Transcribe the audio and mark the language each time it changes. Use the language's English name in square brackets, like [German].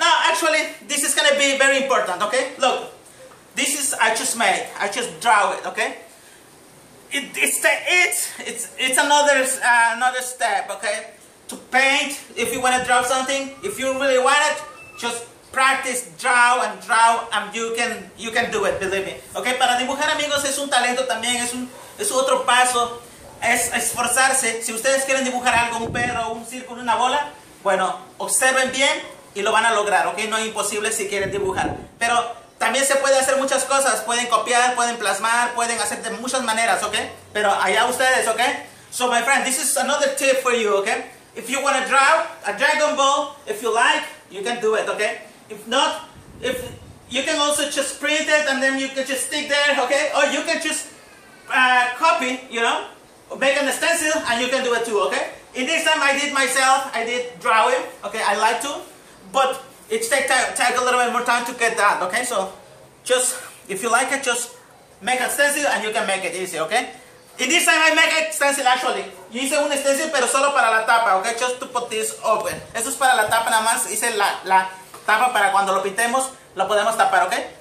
[English] No, actually, this is gonna be very important, okay? Look, this is, I just drew it, okay? It's another step, okay? To paint, if you wanna draw something, if you really want it, just practice, draw, and you can do it, believe me. [Spanish] Okay, para dibujar, amigos, es un talento también, es otro paso, es esforzarse. Si ustedes quieren dibujar algo, un perro, un círculo, una bola, bueno, observen bien y lo van a lograr, okay? No es imposible si quieren dibujar, pero también se puede hacer muchas cosas. Pueden copiar, pueden plasmar, pueden hacer de muchas maneras, okay? Pero allá ustedes, okay? [English] So, my friend, this is another tip for you, okay? If you want to draw a Dragon Ball, if you like, you can do it, okay? If not, if you can also just print it and then you can just stick there, okay? Or you can just copy, you know, make a stencil and you can do it too, okay? In this time, I did myself, I did drawing, okay? I like to, but it take a little bit more time to get that, okay? So, just, if you like it, just make a stencil and you can make it easy, okay? In this time, I make a stencil, actually. [Spanish] Yo hice un stencil, pero solo para la tapa, okay? [English] Just to put this open. [Spanish] Eso es para la tapa nada más. Hice la tapa para cuando lo pintemos, lo podemos tapar, okay?